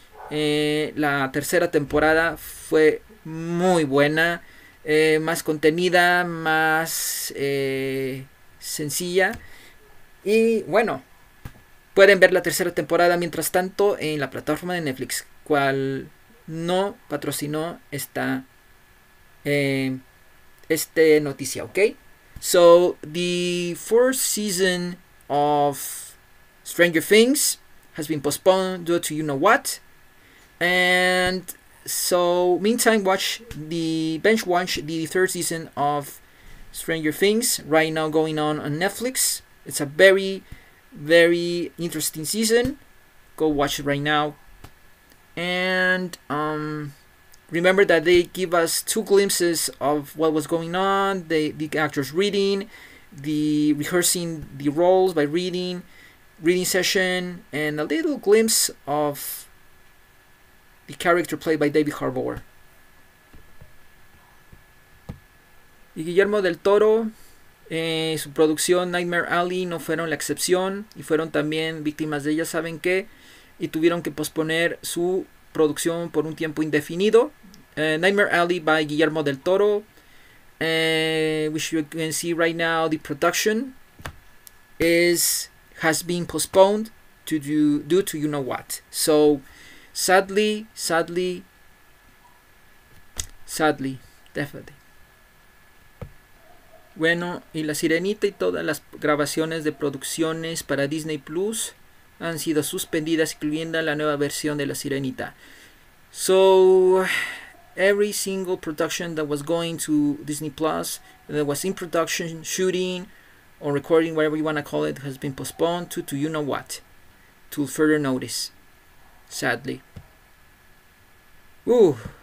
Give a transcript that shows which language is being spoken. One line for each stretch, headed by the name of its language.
Spanish: La tercera temporada fue muy buena, más contenida, más sencilla. Y bueno, pueden ver la tercera temporada mientras tanto en la plataforma de Netflix, cual no patrocinó esta este noticia, ¿ok?
English: So, the fourth season of Stranger Things has been postponed due to you know what. And so, meantime, watch the binge watch the third season of Stranger Things right now going on Netflix. It's a very, very interesting season. Go watch it right now. And remember that they give us two glimpses of what was going on, the actors reading, the rehearsing the roles by reading session, and a little glimpse of the character played by David Harbour.
Spanish: Y Guillermo del Toro, su producción Nightmare Alley no fueron la excepción y fueron también víctimas de ella, ¿saben qué? Y tuvieron que posponer su producción por un tiempo indefinido.
English: Nightmare Alley by Guillermo del Toro, which you can see right now, the production has been postponed to due to you know what. So, sadly, sadly, sadly, definitely.
Spanish: Bueno, y La Sirenita y todas las grabaciones de producciones para Disney Plus han sido suspendidas, incluyendo la nueva versión de La Sirenita.
English: So, every single production that was going to Disney Plus, that was in production, shooting, or recording, whatever you want to call it, has been postponed to you know what, to further notice, sadly. Ooh.